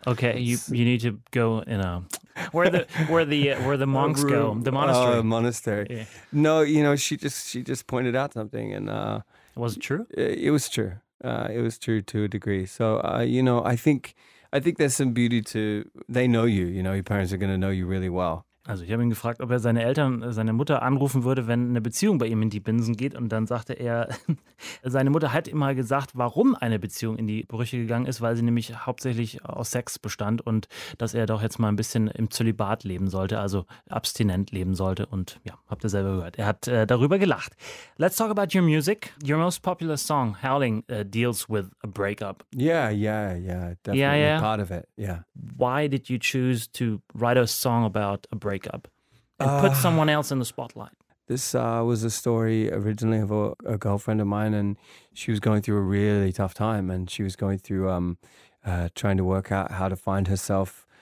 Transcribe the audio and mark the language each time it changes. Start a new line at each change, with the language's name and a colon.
English: Okay, you need to go in a... Where the monks go, the monastery. Oh, monastery. Yeah. No, you know, she just pointed out something and... Was it true? It was true. It was true to a degree. So, you know, I think there's some beauty to, they know you, you know, your parents are going to know you really well.
German: Also ich habe ihn gefragt, ob er seine Eltern, seine Mutter anrufen würde, wenn eine Beziehung bei ihm in die Binsen geht. Und dann sagte er, seine Mutter hat immer gesagt, warum eine Beziehung in die Brüche gegangen ist, weil sie nämlich hauptsächlich aus Sex bestand und dass er doch jetzt mal ein bisschen im Zölibat leben sollte, also abstinent leben sollte. Und ja, habt ihr selber gehört. Er hat darüber gelacht.
English: Let's talk about your music. Your most popular song, Howling, deals with a breakup. Yeah, definitely part of it, yeah. Why did you choose to write a song about a breakup and put someone else in the spotlight? This was a story originally of a girlfriend of mine, and she was going through a really tough time, and she was going through trying to work out how to find herself.